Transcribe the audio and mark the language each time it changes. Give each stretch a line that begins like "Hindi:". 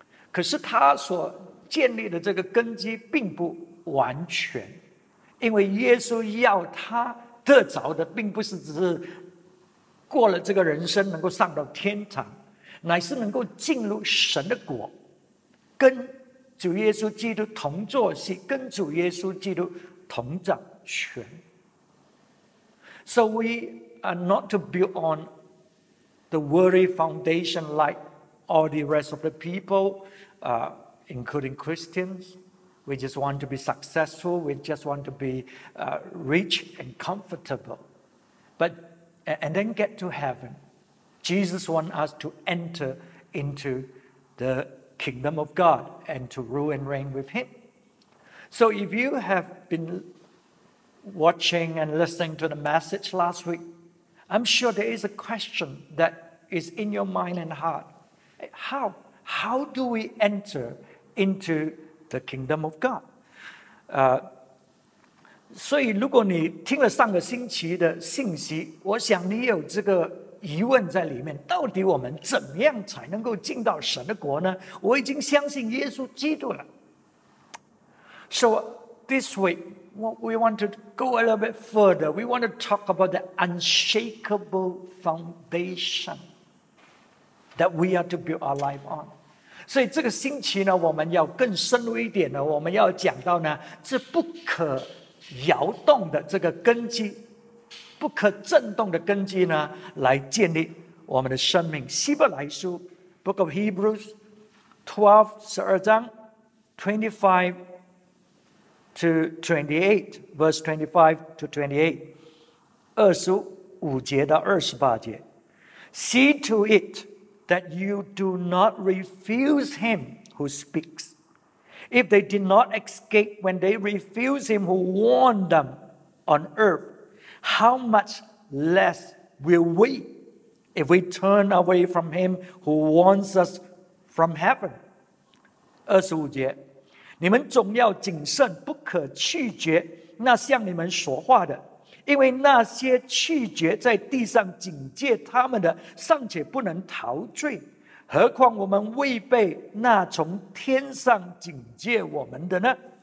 Chinese: 可是他所建立的这个根基并不完全，因为耶稣要他得着的并不是只是过了这个人生能够上到天堂，乃是能够进入神的国，跟主耶稣基督同坐席，跟主耶稣基督同掌权。
English: So we are not to build on the worldly foundation like all the rest of the people, including Christians. We just want to be successful. We just want to be rich and comfortable. But, and then get to heaven. Jesus wants us to enter into the kingdom of God and to rule and reign with him. So if you have been watching and listening to the message last week, I'm sure there is a question that is in your mind and heart. How do we enter into the kingdom of God?
Chinese: 所以如果你听了上个星期的信息，我想你有这个疑问在里面，到底我们怎么样才能够进到神的国呢？我已经相信耶稣基督了。
English: So this week we want to go a little bit further. We want to talk about the unshakable foundation that we are to build our life on.
Chinese: 所以这个星期呢，我们要更深入一点呢，我们要讲到呢，这不可摇动的这个根基，不可震动的根基呢，来建立我们的生命。希伯来书
English: Book of Hebrews
Chinese: 12:25-28, 25-28, 25-28.
English: See to it that you do not refuse him who speaks. If they did not escape when they refused him who warned them on earth, how much less will we if we turn away from him who warns us from heaven?
Chinese: 25节，你们总要谨慎，不可弃绝那向你们说话的，因为那些弃绝在地上警戒他们的尚且不能陶醉，何况我们未被那从天上警戒我们的呢？